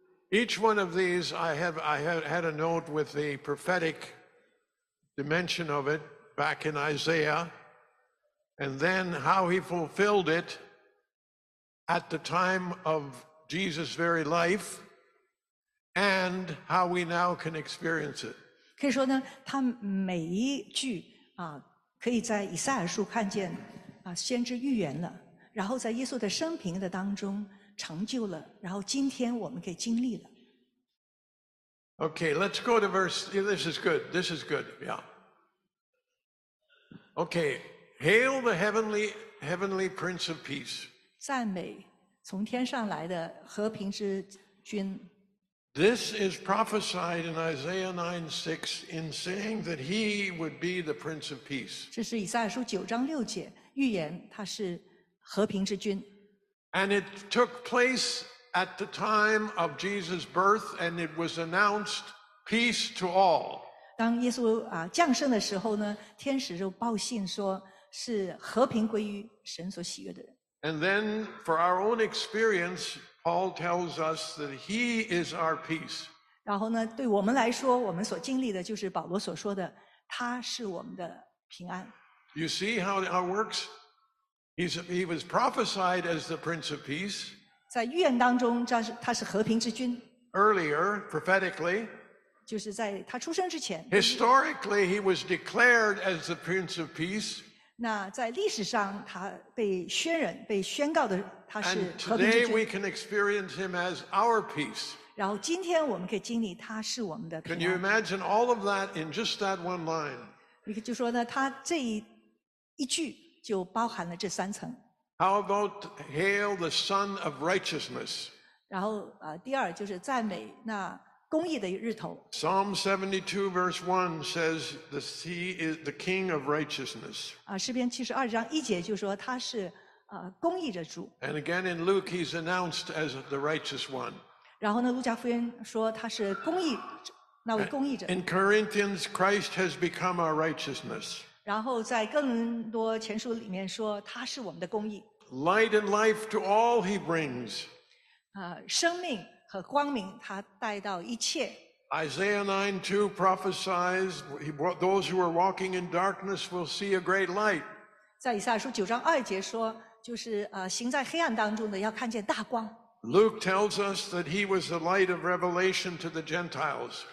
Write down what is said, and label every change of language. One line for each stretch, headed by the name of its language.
English: Each one of these, I had a note with the prophetic dimension of it back in Isaiah. And then how he fulfilled it at the time of Jesus' very life, and how we now can experience it.
Chinese: 可以说呢，他每一句可以在以赛亚书看见先知预言了，然后在耶稣的生平的当中成就了，然后今天我们可以经历了。
English: Okay, let's go to verse. This is good. This is good. Yeah. Okay. Hail the heavenly Prince of Peace.
Chinese: 赞美从天上来的和平之君。
English: This is prophesied in Isaiah 9:6 in saying that he would be the Prince of Peace.
Chinese: 这是以赛亚书九章六节预言他是和平之君。
English: And it took place at the time of Jesus' birth, and it was announced peace to all.
Chinese: 当耶稣降生的时候呢，天使就报信说。是和平归于神所喜悦的人。
English: And then, for our own experience, Paul tells us that He is our peace.
Chinese: 然后呢，对我们来说，我们所经历的就是保罗所说的，他是我们的平安。
English: You see how it works? He was prophesied as the Prince of Peace.
Chinese: 在预言当中，他是和平之君。
English: Earlier, prophetically.
Chinese: 就是在他出生之前。
English: Historically, he was declared as the Prince of Peace.
Chinese: 那在历史上他被宣人被宣告的他是和平之君。
English: And today we can experience him as our peace.
Chinese: 然后今天我们可以经历他是我们的平安。
English: Can you imagine all of that in just that one line?
Chinese: 你就说呢他这 一句就包含了这三层。
English: How about hail the son of righteousness?
Chinese: 然后、第二就是赞美那公义的日头。
English: Psalm 72 verse 1 says he is the king of righteousness.
Chinese: 诗篇七十二章一节就说他是、公义的主。
English: And again in Luke he's announced as the righteous one.
Chinese: 然后呢路加福音说他是公义那位公义者。
English: In Corinthians Christ has become our righteousness.
Chinese: 然后在更多前书里面说他是我们的公义。
English: Light and life to all he brings.
Chinese: 生命和光明他带到一切。
English: Isaiah 9:2 prophesies, those who are walking in darkness will see a great light.
Chinese: 在以赛亚书九章二节说就是、行在黑暗当中的要看见大光。
English: Luke tells us that he was the light of revelation to the Gentiles.